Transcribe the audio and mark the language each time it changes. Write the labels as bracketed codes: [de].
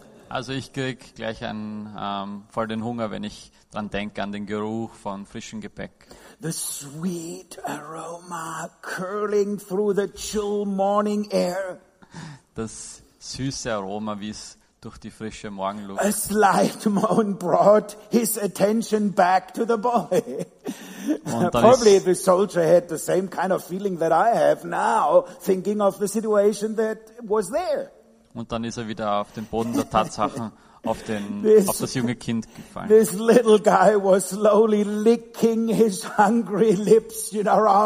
[de] Also ich krieg gleich einen voll den Hunger, wenn ich dran denke an den Geruch von frischem Gepäck. [en] The sweet aroma curling through the chill morning air. [de] Das süße Aroma, wie es durch die frische Morgenluft. [en] A slight moan brought his attention back to the boy. Probably the soldier had the same kind of feeling that I have now, thinking of the situation that was there. [de] Und dann ist er wieder auf den Boden der Tatsachen, auf das junge Kind gefallen. [en] This little guy was slowly licking his hungry lips, you know.